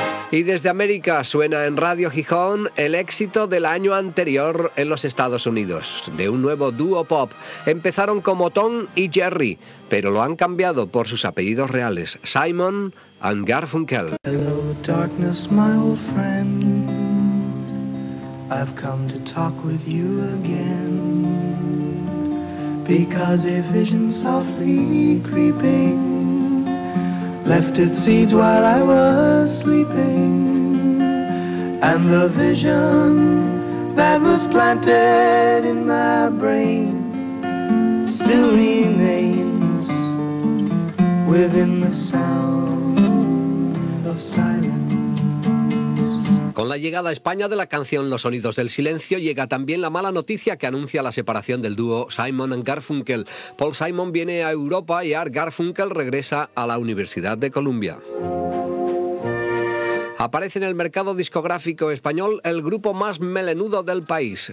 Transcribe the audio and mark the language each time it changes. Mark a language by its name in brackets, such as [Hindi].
[Spanish] Y desde América suena en Radio Gijón el éxito del año anterior en los Estados Unidos, de un nuevo dúo pop. Empezaron como Tom y Jerry, pero lo han cambiado por sus apellidos reales, Simon and Garfunkel. [English] Hello darkness, my old friend. I've come to talk with you again, because a vision softly creeping left its seeds while I was sleeping, and the vision that was planted in my brain still remains within the sound of silence. [Spanish] Con la llegada a España de la canción Los Sonidos del Silencio llega también la mala noticia que anuncia la separación del dúo Simon and Garfunkel. Paul Simon viene a Europa y Art Garfunkel regresa a la Universidad de Columbia. Aparece en el mercado discográfico español el grupo más melenudo del país.